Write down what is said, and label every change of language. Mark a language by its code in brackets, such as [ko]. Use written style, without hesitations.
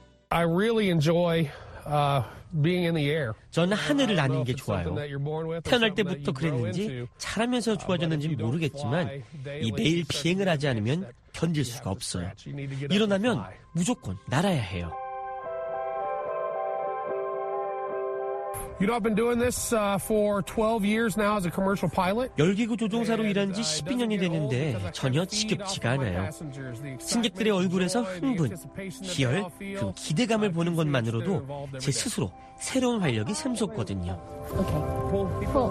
[en] I really enjoy being in the air. [ko] 저는 하늘을 나는 게 좋아요. 태어날 때부터 그랬는지 자라면서 좋아졌는지 모르겠지만 이 매일 비행을 하지 않으면 견딜 수가 없어요. 일어나면 무조건 날아야 해요. [en] You know, I've been doing this for 12 years now as a commercial pilot. [ko] 열기구 조종사로 일한 지 12년이 됐는데 전혀 지겹지가 않아요. 승객들의 얼굴에서 흥분, 희열, 그 기대감을 보는 것만으로도 제 스스로 새로운 활력이 샘솟거든요.